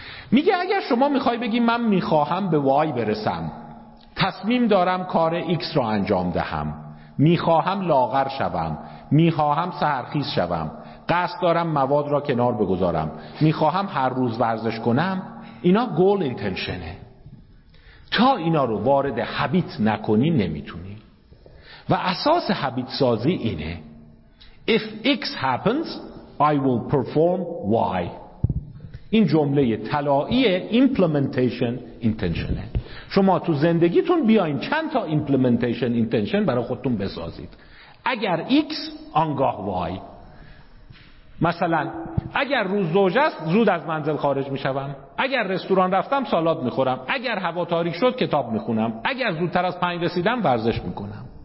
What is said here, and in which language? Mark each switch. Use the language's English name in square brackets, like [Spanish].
[Persian] میگه اگر شما میخوای بگی من میخواهم به Y برسم، تصمیم دارم کار X رو انجام دهم، میخواهم لاغر شوم، میخواهم سحرخیز شوم، قصد دارم مواد را کنار بگذارم، میخواهم هر روز ورزش کنم، اینا گول اینتنشنه. تا اینا رو وارد حبیت نکنی نمیتونی. و اساس حبیت سازی اینه: [English] If X happens, I will perform Y. [Persian] این جمله طلایی implementation intentionه. شما تو زندگیتون بیاین چند تا implementation intention برای خودتون بسازید. اگر X آنگاه Y. مثلا اگر روز زوج است زود از منزل خارج می شوم، اگر رستوران رفتم سالاد می خورم، اگر هوا تاریک شد کتاب می خونم، اگر زودتر از 5 رسیدم ورزش می کنم.